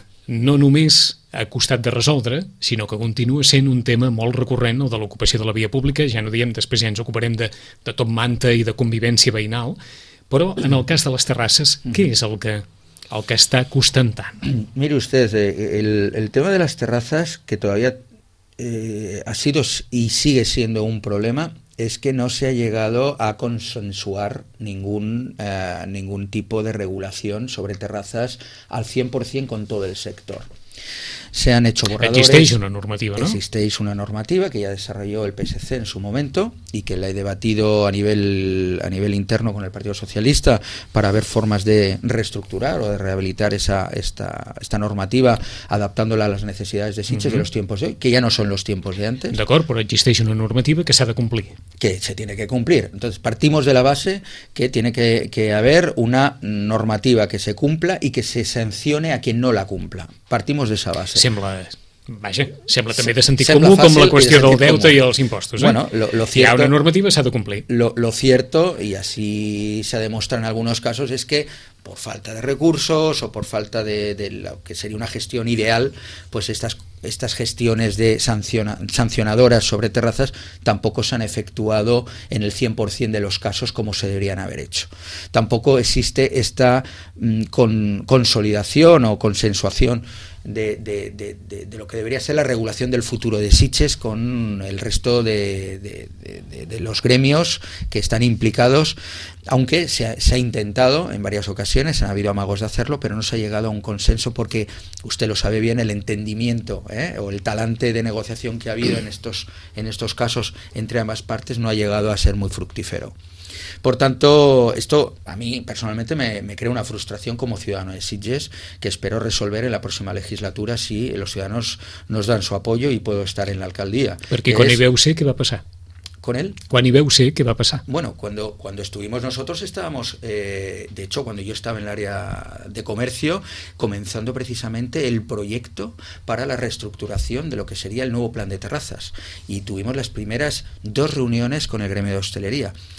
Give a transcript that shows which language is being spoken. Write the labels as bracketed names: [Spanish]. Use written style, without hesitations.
[Catalan] No només ha costat de resoldre, sinó que continua sent un tema molt recurrent, el de l'ocupació de la via pública. Ja no diem, després ja ens ocuparem de tot manta i de convivència veïnal, però en el cas de les terrasses, què és el que està costant tant? [Spanish] Mire usted, el tema [Catalan] de les terrasses, [Spanish] que todavía ha sido y sigue siendo un problema, es que no se ha llegado a consensuar ningún tipo de regulación sobre terrazas al 100% con todo el sector. Se han hecho borradores. Existeis una normativa, ¿no? Existeis una normativa que ya desarrolló el PSC en su momento y que la he debatido a nivel interno con el Partido Socialista para ver formas de reestructurar o de rehabilitar esta normativa, adaptándola a las necesidades de Sitges y los tiempos de hoy, que ya no son los tiempos de antes. [Catalan] D'acord, però existeix una normativa que s'ha de complir. [Spanish] Que se tiene que cumplir. Entonces, partimos de la base que tiene que haber una normativa que se cumpla y que se sancione a quien no la cumpla. Partimos de esa base. [Catalan] Sembla també de sentit comú com la qüestió del deute i els impostos. [Spanish] Bueno, lo cierto, [Catalan] hi ha una normativa, s'ha de complir. [Spanish] Lo cierto, y así se demuestra en algunos casos, es que por falta de recursos o por falta de lo que sería una gestión ideal, pues estas gestiones de sancionadoras sobre terrazas tampoco se han efectuado en el 100% de los casos como se deberían haber hecho. Tampoco existe esta consolidación o consensuación de lo que debería ser la regulación del futuro de Sitges con el resto de los gremios que están implicados, aunque se ha intentado en varias ocasiones, han habido amagos de hacerlo, pero no se ha llegado a un consenso porque, usted lo sabe bien, el entendimiento o el talante de negociación que ha habido en estos casos entre ambas partes no ha llegado a ser muy fructífero. Por tanto, esto a mí personalmente me crea una frustración como ciudadano de Sitges que espero resolver en la próxima legislatura si los ciudadanos nos dan su apoyo y puedo estar en la alcaldía. [Catalan] Perquè quan hi veu ser, què va passar? [Spanish] ¿Con él? [Catalan] Quan hi veu ser, què va passar? [Spanish] Bueno, cuando estuvimos nosotros estábamos, de hecho, cuando yo estaba en el área de comercio, comenzando precisamente el proyecto para la reestructuración de lo que sería el nuevo plan de terrazas. Y tuvimos las primeras dos reuniones con el gremio de hostelería.